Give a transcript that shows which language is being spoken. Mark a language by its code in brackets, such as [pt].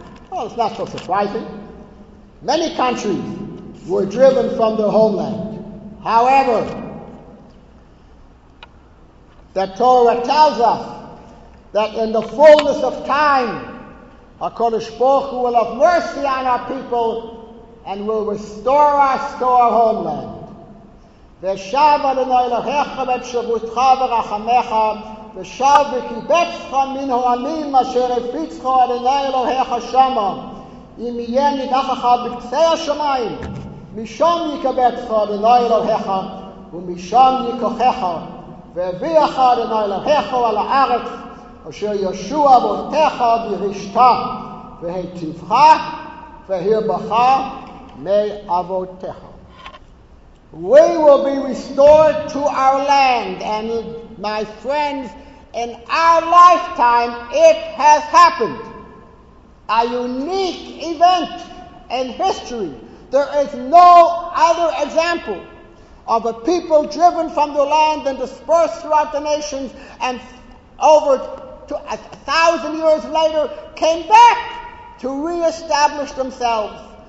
[en] Well, it's not so surprising. Many countries were driven from their homeland. However, the Torah tells us that in the fullness of time, HaKadosh Baruch Hu will have mercy on our people and will restore us to our homeland. [he] ושב אלינו אלוהיך ואת שבותך ורחמך, ושב וקיבצך מן העמים אשר הפיצך אלינו אלוהיך שמה, אם יהיה נידחך בקצה השמיים, משם יקבצך אלינו אלוהיך, ומשם יקחך, והביאך אלינו אלוהיך על הארץ, אשר ישוע בותך וירשתה, והטיבך והרבך מאבותך. [en] We will be restored to our land. And my friends, in our lifetime, it has happened. A unique event in history. There is no other example of a people driven from their land and dispersed throughout the nations and over to 1,000 years later came back to reestablish themselves.